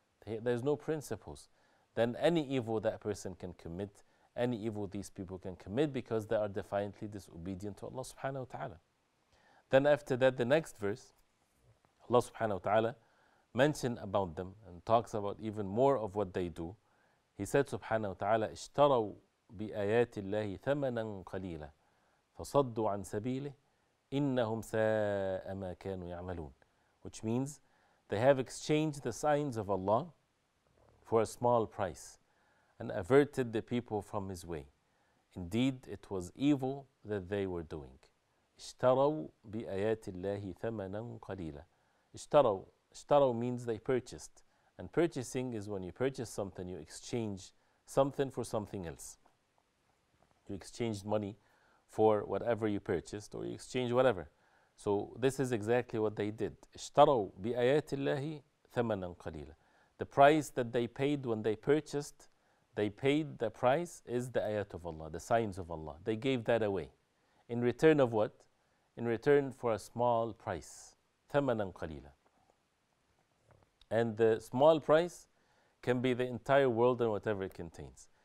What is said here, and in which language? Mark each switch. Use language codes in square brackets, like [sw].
[en] There's no principles. Then any evil that person can commit, any evil these people can commit, because they are defiantly disobedient to Allah subhanahu wa ta'ala. Then after that, the next verse, Allah subhanahu wa ta'ala mention about them and talks about even more of what they do. He said, subhanahu wa ta'ala, [ar] اشتروا بآيات الله ثمنا قليلا فصدوا عن سبيله إنهم ساء ما كانوا يعملون. [en] Which means they have exchanged the signs of Allah for a small price and averted the people from His way. Indeed, it was evil that they were doing. [ar] اشتروا بآيات الله ثمنا قليلا. اشتروا. اشتروا [en] means they purchased. And purchasing is when you purchase something, you exchange something for something else. You exchanged money for whatever you purchased, or you exchange whatever. So this is exactly what they did. [ar] اشتروا بآيات الله ثمنا قليلا. [en] The price that they paid when they purchased, they paid the price is the ayat of Allah, the signs of Allah. They gave that away. In return of what? In return for a small price. [ar] ثمنا قليلا. [en] And the small price can be the entire world and whatever it contains.